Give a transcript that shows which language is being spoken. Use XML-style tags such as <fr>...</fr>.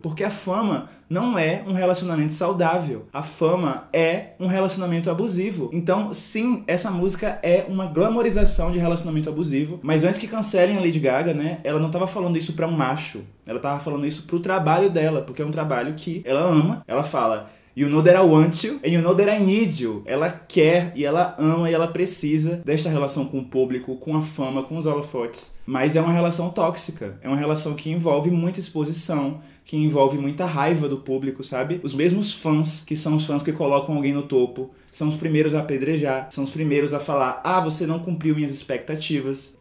<pt>Porque a fama não é um relacionamento saudável. A fama é um relacionamento abusivo. Então, sim, essa música é uma glamorização de relacionamento abusivo. Mas antes que cancelem a Lady Gaga, né, ela não tava falando isso pra um macho. Ela tava falando isso pro trabalho dela, porque é um trabalho que ela ama. Ela fala,</pt> <en>you know that I want you, and you know that I need you.</en> <pt>Ela quer, e ela ama, e ela precisa desta relação com o público, com a fama, com os holofotes. Mas é uma relação tóxica. É uma relação que envolve muita exposição, que envolve muita raiva do público, sabe? Os mesmos fãs, que são os fãs que colocam alguém no topo, são os primeiros a apedrejar, são os primeiros a falar, ah, você não cumpriu minhas expectativas.</pt>